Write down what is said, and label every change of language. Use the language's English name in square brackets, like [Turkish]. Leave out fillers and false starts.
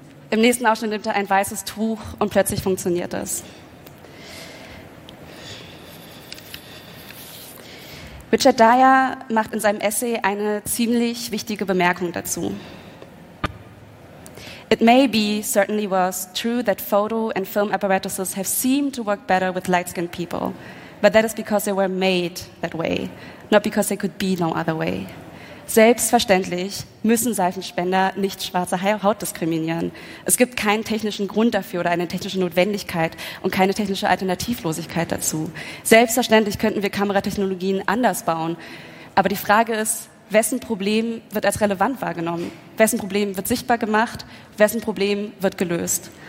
[German] Im nächsten Ausschnitt nimmt er ein weißes Tuch und plötzlich funktioniert es. Richard Dyer macht in seinem Essay eine ziemlich wichtige Bemerkung dazu. [English] It may be, certainly was, true that photo and film apparatuses have seemed to work better with light-skinned people, but that is because they were made that way, not because they could be no other way. [German] Selbstverständlich müssen Seifenspender nicht schwarze Haut diskriminieren. Es gibt keinen technischen Grund dafür oder eine technische Notwendigkeit und keine technische Alternativlosigkeit dazu. Selbstverständlich könnten wir Kameratechnologien anders bauen. Aber die Frage ist, wessen Problem wird als relevant wahrgenommen? Wessen Problem wird sichtbar gemacht? Wessen Problem wird gelöst?